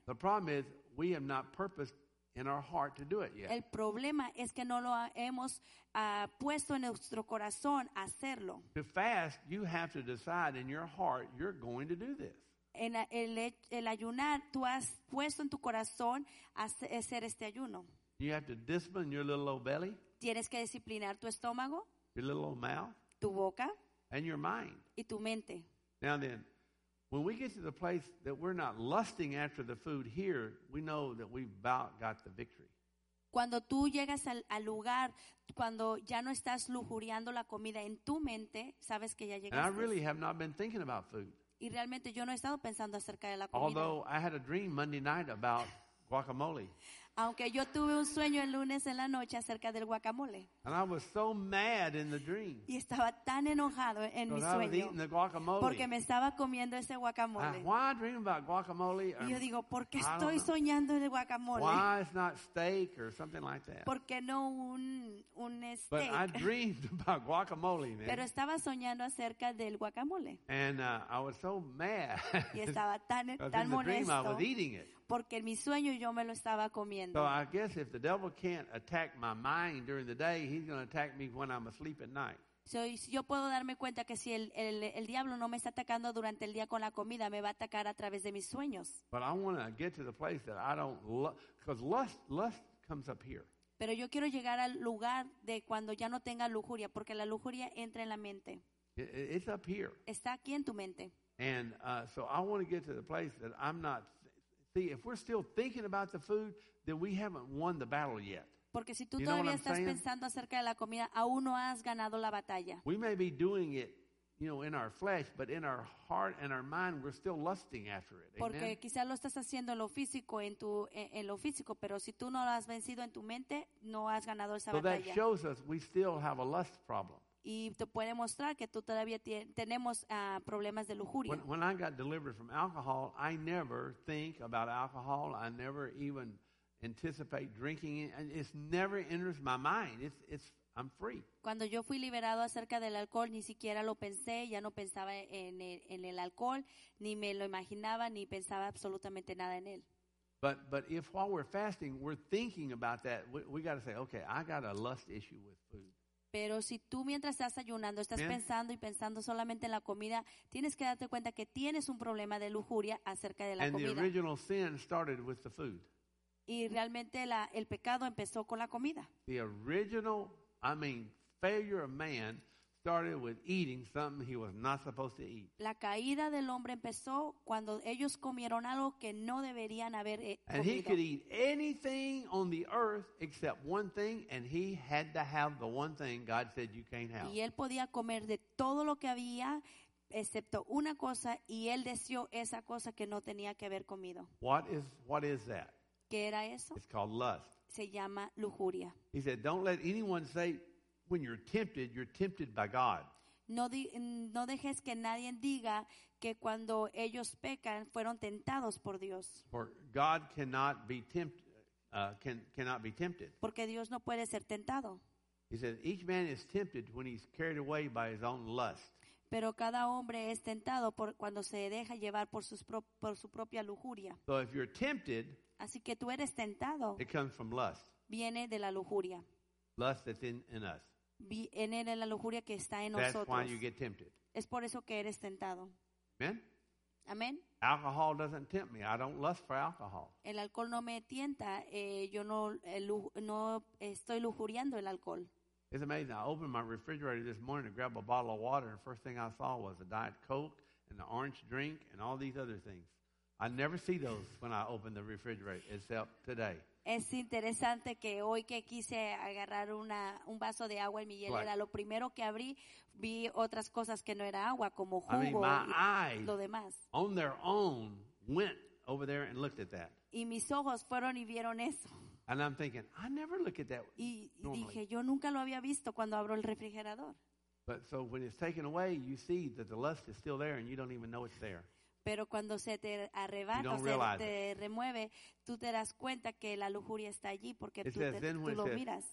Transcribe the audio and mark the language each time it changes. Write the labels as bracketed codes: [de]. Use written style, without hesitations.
[en] The problem is we have not purposed in our heart to do it yet. [es] El problema es que no lo hemos puesto en nuestro corazón hacerlo. [en] To fast, you have to decide in your heart you're going to do this. [es] En el ayunar, tú has puesto en tu corazón hacer este ayuno. [en] You have to discipline your little old belly. [es] Tienes que disciplinar tu estómago. [en] Your little old mouth. [es] Tu boca. [en] And your mind. [es] Y tu mente. [en] Now then, when we get to the place that we're not lusting after the food here, we know that we've about got the victory. [es] Cuando tú llegas al lugar, cuando ya no estás lujuriando la comida en tu mente, sabes que ya llegaste. [en] And I really have not been thinking about food. [es] Y realmente yo no he estado pensando acerca de la comida. [en] Although I had a dream Monday night about guacamole. [es] Aunque yo tuve un sueño el lunes en la noche acerca del guacamole. [en] And I was so mad in the dream. [es] Y estaba tan enojado en mi sueño. [en] I was eating the guacamole. [es] Porque me estaba comiendo ese guacamole. [en] Why I dream about guacamole? [es] Y yo digo, ¿por qué estoy soñando el guacamole? [en] Why it's not steak or something like that? [es] ¿Por qué no un steak? [en] But I dreamed about guacamole, man. [es] Pero estaba soñando acerca del guacamole. [en] And I was so mad. [es] Y estaba tan molesto. [en] Dream, I was eating it. [es] Porque en mi sueño yo me lo estaba comiendo. [en] So I guess if the devil can't attack my mind during the day, he's going to attack me when I'm asleep at night. [es] So yo puedo darme cuenta que si el diablo no me está atacando durante el día con la comida, me va a atacar a través de mis sueños. [en] But I want to get to the place that I don't, because lust comes up here. [es] Pero yo quiero llegar al lugar de cuando ya no tenga lujuria, porque la lujuria entra en la mente. [en] It's up here. [es] Está aquí en tu mente. [en] And so I want to get to the place that I'm not. See, if we're still thinking about the food, then we haven't won the battle yet. [es] Porque si tú todavía estás pensando acerca de la comida, aún no has ganado la batalla. [en] We may be doing it, you know, in our flesh, but in our heart and our mind, we're still lusting after it. [es] Porque quizás lo estás haciendo en lo físico, en lo físico, pero si tú no lo has vencido en tu mente, no has ganado esa batalla. [en] So that shows us we still have a lust problem. [es] Y te puede mostrar que tú todavía tenemos problemas de lujuria. [en] When I got delivered from alcohol, I never think about alcohol. I never even anticipate drinking it. And it's never enters my mind. It's I'm free. [es] Cuando yo fui liberado acerca del alcohol, ni siquiera lo pensé. Ya no pensaba en el alcohol, ni me lo imaginaba, ni pensaba absolutamente nada en él. [en] But if while we're fasting, we're thinking about that, we got to say, okay, I got a lust issue with food. [es] Pero si tú mientras estás ayunando estás pensando y pensando solamente en la comida, tienes que darte cuenta que tienes un problema de lujuria acerca de la comida. [en] And the original sin started with the food. [es] Y realmente el pecado empezó con la comida. [en] The original, I mean, failure of man started with eating something he was not supposed to eat. [es] La caída del hombre empezó cuando ellos comieron algo que no deberían haber comido. [en] And he could eat anything on the earth except one thing, and he had to have the one thing God said you can't have. [es] Y él podía comer de todo lo que había excepto una cosa, y él deseó esa cosa que no tenía que haber comido. [en] What is that? [es] ¿Qué era eso? [en] It's called lust. [es] Se llama lujuria. [en] He said, don't let anyone say, when you're tempted by God. [es] No dejes que nadie diga que cuando ellos pecan fueron tentados por Dios. [en] For God cannot be tempted. Cannot be tempted. [es] Porque Dios no puede ser tentado. [en] He says each man is tempted when he's carried away by his own lust. [es] Pero cada hombre es tentado por cuando se deja llevar por sus por su propia lujuria. [en] So if you're tempted, [es] así que tú eres tentado. [en] It comes from lust. [es] Viene de la lujuria. [en] Lust that's in us. [es] Viene de la lujuria que está en [en] that's [es] nosotros. [en] That's why you get tempted. [es] Es por eso que eres tentado. [en] Amen. [es] Amen. [en] Alcohol doesn't tempt me. I don't lust for alcohol. [es] El alcohol no me tienta. Yo no estoy lujuriando el alcohol. [en] It's amazing. I opened my refrigerator this morning to grab a bottle of water, and the first thing I saw was a Diet Coke and the orange drink and all these other things. I never see those when I open the refrigerator, except today. [es] Es interesante que hoy que quise agarrar un vaso de agua en mi hielera, [en] right. [es] Lo primero que abrí, vi otras cosas que no era agua, como jugo, [en] I mean, [es] y lo demás. [en] On their own went over there and looked at that. [es] Y mis ojos fueron y vieron eso. [en] And I'm thinking, I never look at that. [es] Y dije, yo nunca lo había visto cuando abro el refrigerador. [en] But so when it's taken away, you see that the lust is still there and you don't even know it's there. [es] Pero cuando se te arrebata, se te remueve, tú te das cuenta que la lujuria está allí porque tú lo miras.